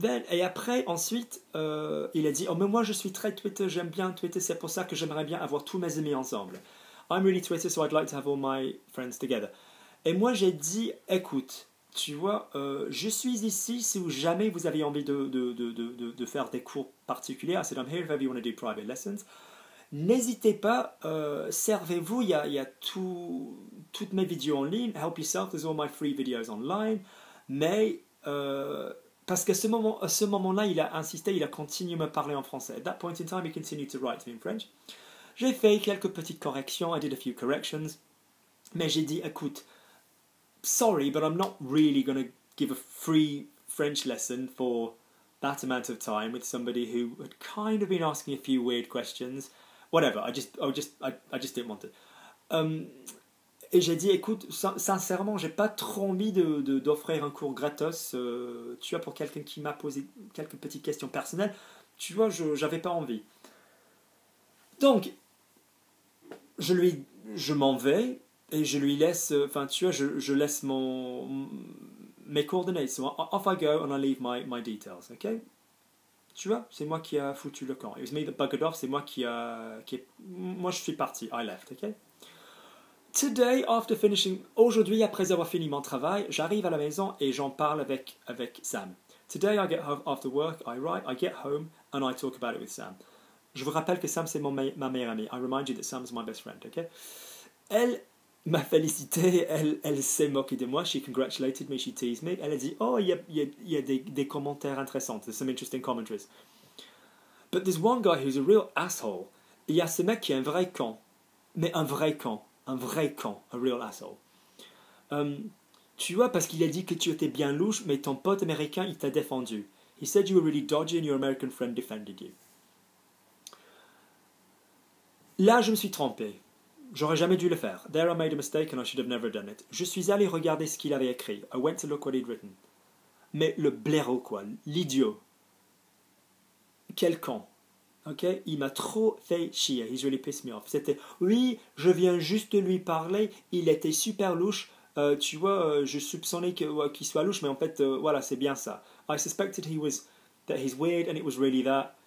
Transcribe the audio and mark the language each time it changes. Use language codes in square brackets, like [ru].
[fr] Et après, ensuite, il a dit, oh, mais moi je suis très Twitter, j'aime bien Twitter, c'est pour ça que j'aimerais bien avoir tous mes amis ensemble. [en] I'm really Twitter, so I'd like to have all my friends together. [fr] Et moi j'ai dit, écoute. Tu vois, je suis ici si jamais vous avez envie de faire des cours particuliers. [en] I said, I'm here if ever you want to do private lessons. [fr] N'hésitez pas, servez-vous, il y a toutes mes vidéos en ligne. Help yourself, there's all my free videos online. Mais, parce qu'à ce moment-là, il a insisté, il a continué à me parler en français. [en] At that point in time, he continued to write to me in French. [fr] J'ai fait quelques petites corrections, [en] I did a few corrections. [fr] Mais j'ai dit, écoute. [en] Sorry, but I'm not really going to give a free French lesson for that amount of time with somebody who had kind of been asking a few weird questions. Whatever, I just didn't want it. [fr] Et j'ai dit, écoute, sincèrement, j'ai pas trop envie d'offrir un cours gratos, tu vois, pour quelqu'un qui m'a posé quelques petites questions personnelles. Tu vois, j'avais pas envie. Donc, je m'en vais. Et je lui laisse, enfin, tu vois, je laisse mes coordonnées. [en] So off I go and I leave my details, ok? [fr] Tu vois, c'est moi qui a foutu le camp. [en] It was me that buggered off, [fr] c'est moi qui a. Qui est, moi, je suis parti. [en] I left, ok? Today, after finishing. [fr] Aujourd'hui, après avoir fini mon travail, j'arrive à la maison et j'en parle avec Sam. Today, I get home after work, I write, I get home and I talk about it with Sam. Je vous rappelle que Sam, c'est ma meilleure amie. [en] I remind you that Sam is my best friend, ok? Elle. [fr] m'a félicité, elle s'est moquée de moi, [en] she congratulated me, she teased me. [fr] Elle a dit, oh, il y a des commentaires intéressants, [en] there's some interesting commentaries. But there's one guy who's a real asshole. [fr] Il y a ce mec qui est un vrai con, mais un vrai con, [en] a real asshole. [fr] Tu vois, parce qu'il a dit que tu étais bien louche, mais ton pote américain, il t'a défendu. [en] He said you were really dodgy and your American friend defended you. [fr] Là, je me suis trompé. J'aurais jamais dû le faire. [en] There I made a mistake and I should have never done it. [fr] Je suis allé regarder ce qu'il avait écrit. [en] I went to look what he'd written. [fr] Mais le blaireau quoi, l'idiot. Quel con. Ok, il m'a trop fait chier. [en] He's really pissed me off. [fr] C'était, oui, je viens juste de lui parler. Il était super louche. Tu vois, je soupçonnais qu'il soit louche, mais en fait, voilà, c'est bien ça. [en] I suspected he was, that he's weird and it was really that.